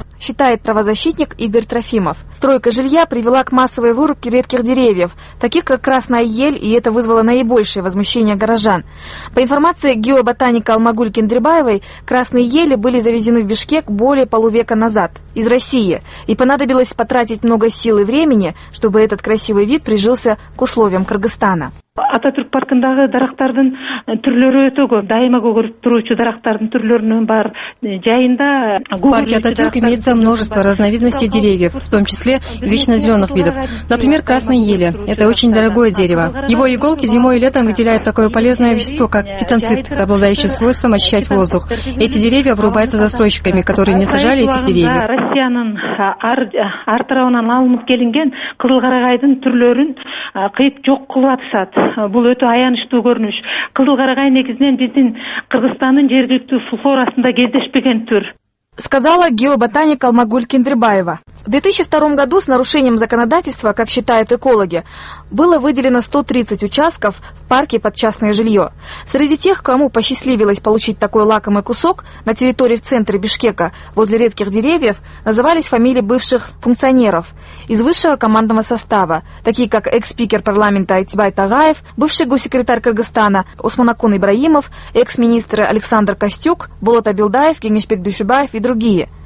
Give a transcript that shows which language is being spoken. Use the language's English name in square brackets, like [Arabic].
[Russian] Считает правозащитник Игорь Трофимов. Стройка жилья привела к массовой вырубке редких деревьев, таких как красная ель, и это вызвало наибольшее возмущение горожан. По информации геоботаника Алмагуль Кендрибаевой, красные ели были завезены в Бишкек более полувека назад, из России, и понадобилось потратить много сил и времени, чтобы этот красивый вид прижился к условиям Кыргызстана. [Kyrgyz] Ататюрк паркындагы дарактардын түрлөрү өтө көп. Дайыма көгөрүп туруучу дарактардын түрлөрүнүн бар жайында. [Russian] В парке Ататюрк имеется множество разновидностей деревьев, в том числе вечно зеленых видов. Например, красные ели. Это очень дорогое дерево. Его иголки зимой и летом выделяют такое полезное вещество, как фитонцид, обладающий свойством очищать воздух. Эти деревья обрубаются застройщиками, которые не сажали этих деревьев. [Kyrgyz] Россиянын ар тарабынан алынып келинген кызыл карагайдын түрлөрүн кыйып жок кылып атышат. Бул өтө аянычтуу көрүнүш. Кызыл карагай негизинен биздин Кыргызстандын жергиликтүү флорасында кездешпеген түр. [Russian] Сказала геоботаник Алмагуль Кендрибаева. В 2002 году с нарушением законодательства, как считают экологи, было выделено 130 участков в парке под частное жилье. Среди тех, кому посчастливилось получить такой лакомый кусок на территории в центре Бишкека возле редких деревьев, назывались фамилии бывших функционеров из высшего командного состава, такие как экс-спикер парламента Айтбай Тагаев, бывший госсекретарь Кыргызстана Усманакун Ибраимов, экс-министр Александр Костюк, Болот Абилдаев, Кеңешбек Дүйшөбаев и другие.